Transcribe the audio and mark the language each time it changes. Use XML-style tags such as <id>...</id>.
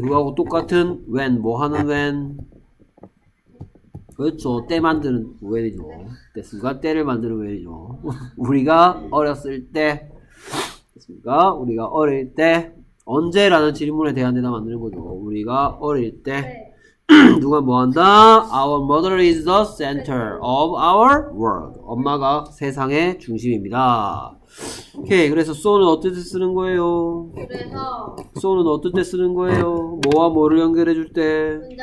<ko>그거하고 똑같은 when, 뭐 하는 when? 그렇죠. 때 만드는 when이죠. 됐습니까? 때를 만드는 when이죠. 우리가 어렸을 때. 됐습니까? 우리가 어릴 때. 언제라는 질문에 대한 대답 만드는 거죠. 우리가 어릴 때. 네. 누가 뭐 한다?</ko> <en>Our mother is the center of our world.</en> <ko>엄마가 세상의 중심입니다. 오케이, 그래서 so는 어떨 때 쓰는 거예요? 그래서 so는 어떨 때 쓰는 거예요? 뭐와 뭐를 연결해 줄 때?</ko>